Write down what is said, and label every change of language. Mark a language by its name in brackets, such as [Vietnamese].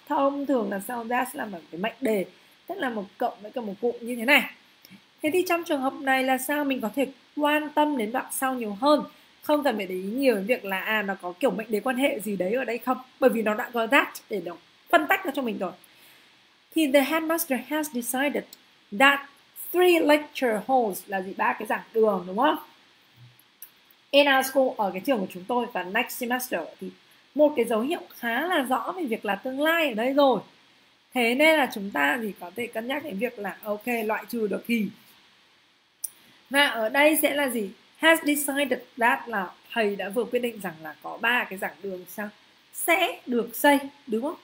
[Vietnamese] Thông thường là sau that là một cái mệnh đề, tức là một cộng với cả một cụm như thế này. Thế thì trong trường hợp này là sao? Mình có thể quan tâm đến đoạn sau nhiều hơn, không cần phải để ý nhiều đến việc là à nó có kiểu mệnh đề quan hệ gì đấy ở đây không, bởi vì nó đã có that để nó phân tách ra cho mình rồi. [English] Thì the headmaster has decided that three lecture halls [Vietnamese] là gì? Ba cái giảng đường đúng không? [English] In our school, [Vietnamese] ở cái trường của chúng tôi, và next semester thì một cái dấu hiệu khá là rõ về việc là tương lai ở đây rồi. Thế nên là chúng ta thì có thể cân nhắc đến việc là ok, loại trừ được thì. Và ở đây sẽ là gì? [English] Has decided that [Vietnamese] là thầy đã vừa quyết định rằng là có ba cái giảng đường sao sẽ được xây đúng không?